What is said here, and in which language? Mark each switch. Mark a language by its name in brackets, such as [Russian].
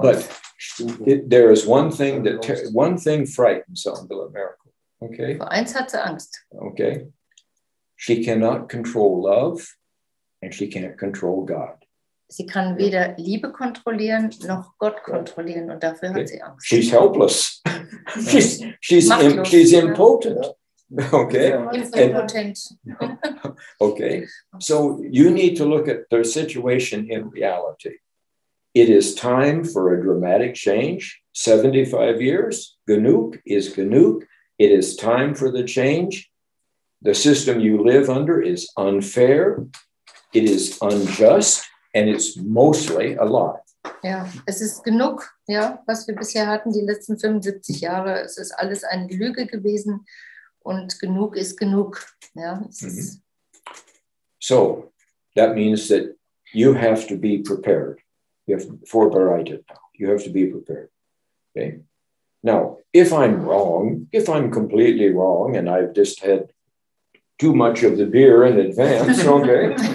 [English] But there is one thing that one thing frightens Angela Merkel. Okay. [German] Vor eins hat sie Angst. Okay. [English] She cannot control love, and she can't control God. [German] Sie kann weder Liebe kontrollieren noch Gott kontrollieren, und dafür hat sie Angst. [English] She's helpless. she's impotent. Okay. Impotent. Okay. So you need to look at their situation in reality. It is time for a dramatic change. 75 years, [German] genug is genug. [English] It is time for the change. The system you live under is unfair. It is unjust, and it's mostly a lie. [German] Ja, es ist genug, ja, was wir bisher hatten, die letzten 75 Jahre. Es ist alles eine Lüge gewesen, und genug ist genug. Ja, [English] So, that means that you have to be prepared. You have to forbereite it. You have to be prepared. Okay. Now, if I'm completely wrong, and I've just had too much of the beer in advance, okay.